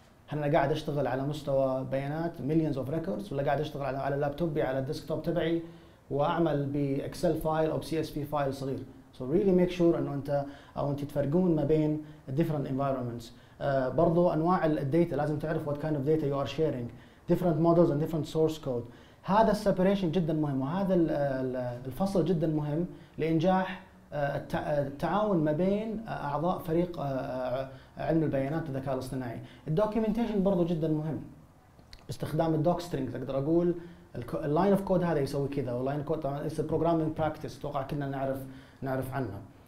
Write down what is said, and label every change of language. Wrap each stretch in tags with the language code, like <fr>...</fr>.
<ar>هل أنا قاعد أشتغل على مستوى بيانات</ar> <en>millions of records</en> <ar>ولا قاعد أشتغل على لابتوبي على الديسكتوب تبعي وأعمل بإكسل فايل أو CSV فايل صغير.</ar> <en>So really make sure</en> <ar>أنه أنت أو أنت تفرقون ما بين</ar> <en>different environments.</en> <ar>برضو أنواع الداتا لازم تعرف</ar> <en>what kind of data you are sharing, different models and different source code.</en> <ar>هذا separation جدا مهم, وهذا الفصل جدا مهم لإنجاح التعاون ما بين أعضاء فريق علم البيانات والذكاء الاصطناعي. الدوكيومنتيشن برضو جدا مهم, استخدام الدوك سترينج. أقدر أقول اللاين اوف كود هذا يسوي كذا, واللاين كود طبعا اسم بروجرامينج براكتس توقع كنا نعرف عنها.</ar>